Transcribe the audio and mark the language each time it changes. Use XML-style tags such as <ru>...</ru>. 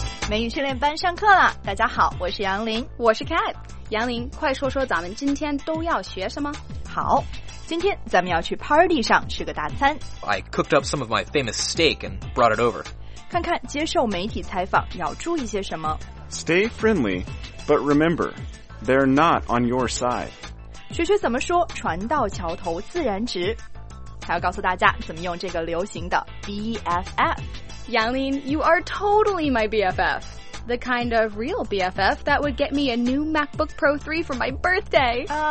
<zh>美语训练班上课了，大家好，我是杨林，我是 Cat。杨林，快说说咱们今天都要学什么。好，今天咱们要去 party 上吃个大餐。</zh> <en>I cooked up some of my famous steak and brought it over.</en> <zh>看看接受媒体采访要注意些什么。</zh> <en>Stay friendly, but remember, they're not on your side.</en> <zh>学学怎么说船到桥头自然直，还要告诉大家怎么用这个流行的 BFF。</zh> <en>杨林， you are totally my BFF. The kind of real BFF that would get me a new MacBook Pro 3 for my birthday.</en>